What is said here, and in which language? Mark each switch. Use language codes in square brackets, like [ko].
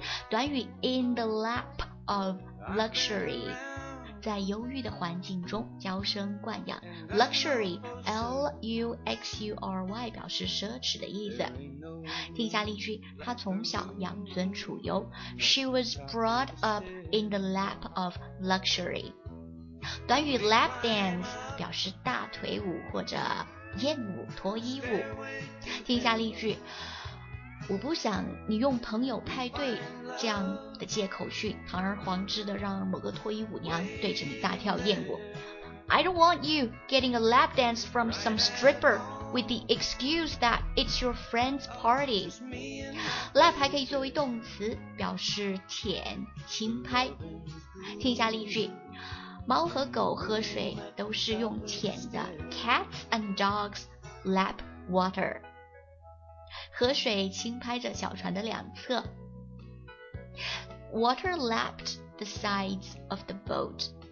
[zh] 短语 [en] In the lap of luxury [zh] 在忧郁的环境中娇生惯养 Luxury L-U-X-U-R-Y 表示奢侈的意思听一下例句他从小养尊处优 [en] She was brought up in the lap of luxury [zh] 短语 lap dance 表示大腿舞或者艳舞、脱衣舞。听一下例句，我不想你用朋友派对这样的借口去堂而皇之的让某个脱衣舞娘对着你大跳艳舞。 [en] I don't want you getting a lap dance from some stripper with the excuse that it's your friend's party. [zh] Lap 还可以作为动词，表示舔、轻拍。听一下例句。猫和狗喝水都是用舔的 [en] Cats and dogs lap water [zh] 河水轻拍着小船的两侧 [en] Water lapped the sides of the boat